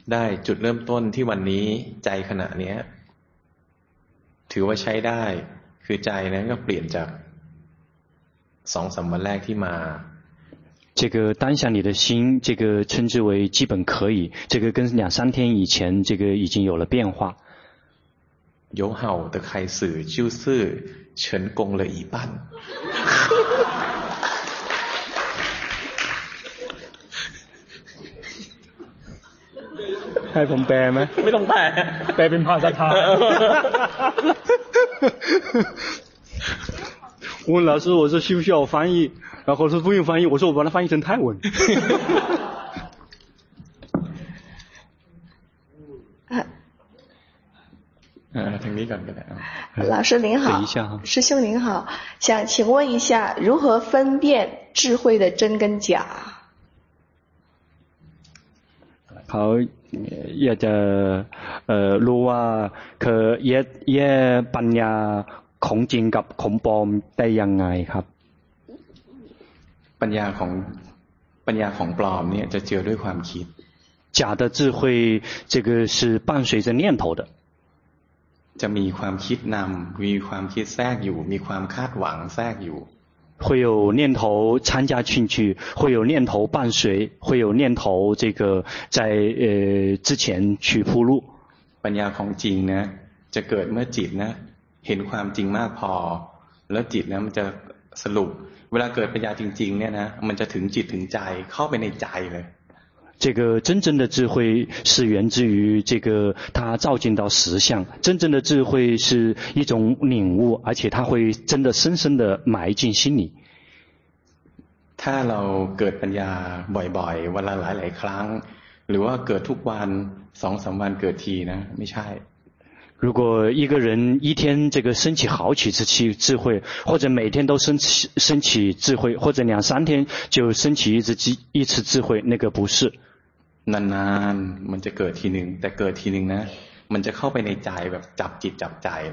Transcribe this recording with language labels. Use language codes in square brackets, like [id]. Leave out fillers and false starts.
[th] ได้จุดเริ่มต้นที่วันนี้ใจขณะนี้ถือว่าใช้ได้คือใจนั้นก็เปลี่ยนจากสองสามวันแรกที่มา [zh] 这个当下你的心这个称之为基本可以这个跟两三天以前这个已经有了变化有好的开始就是成功了一半 [th] ให้ผมแปลไหม ไม่ต้องแปล แปลเป็นภาษาไทย [zh] 问老师我说需不需要翻译然后说不用翻译我说我把它翻译成泰文听你讲的老师您好等一下师兄您好想请问一下如何分辨智慧的真跟假 [th] 好อยากจะรู้ว่าคือแยกปัญญาของจริงกับของปลอมได้ยังไงครับ ปัญญาของปลอมเนี่ยจะเจือด้วยความคิด [zh] 假的智慧这个是伴随着念头的 [th] จะมีความคิดนำมีความคิดแทรกอยู่มีความคาดหวังแทรกอยู่ [zh] 会有念头参加进去会有念头伴随会有念头这个在之前去铺路 [th] ปัญญาของจริงนะจะเกิดเมื่อจิตนะเห็นความจริงมากพอแล้วจิตนะมันจะสรุปเวลาเกิดปัญญาจริงๆเนี่ยนะมันจะถึงจิตถึงใจเข้าไปในใจเลย [zh] 这个真正的智慧是源自于这个它照见到实相真正的智慧是一种领悟而且它会真的深深的埋进心里 [th] ถ้าเราเกิดปัญญาบ่อยๆวันละหลายๆครั้งหรือว่าเกิดทุกวัน 2-3 วันเกิดทีนะไม่ใช่ [zh] 如果一个人一天这个升起好几次起智慧或者每天都升起智慧或者两三天就升起一次智慧那个不是 [th] นานๆ มันจะเกิดทีนึงแต่เกิดทีนึงนะมันจะเข้าไปในใจแบบจับจิตจับใจ